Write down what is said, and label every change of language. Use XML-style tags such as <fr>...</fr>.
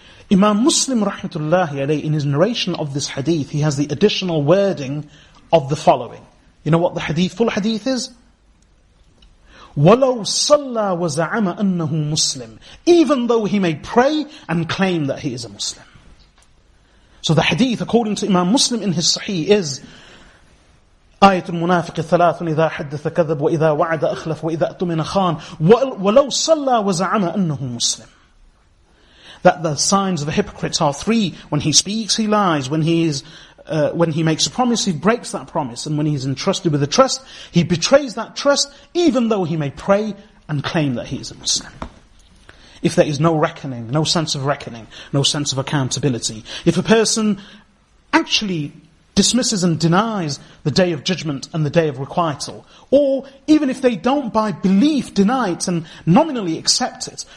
<en>Imam Muslim rahmatullahi alayhi, in his narration of this hadith, he has the additional wording of the following. You know what the hadith, full hadith is?</en> <ar>وَلَوْ صَلَّى وَزَعَمَ أَنَّهُ مُسْلِمٌ,</ar> <en>even though he may pray and claim that he is a Muslim. So the hadith, according to Imam Muslim in his Sahih, is</en> <ar>آيَةُ الْمُنَافِقِ ثَلَاثٌ إِذَا حَدَّثَ كَذَبْ وَإِذَا وَعَدَ أَخْلَفْ وَإِذَا أَطُمِنَ خَانْ وَلَوْ صَلَّى وَزَعَمَ أَنَّهُ مُسْلِمٌ.</ar> <en>That the signs of a hypocrite are three: when he speaks, he lies; when he is when he makes a promise, he breaks that promise. And when he's entrusted with a trust, he betrays that trust, even though he may pray and claim that he is a Muslim. If there is no reckoning, no sense of reckoning, no sense of accountability, if a person actually dismisses and denies the day of judgment and the day of requital, or even if they don't by belief deny it and nominally accept it,</en>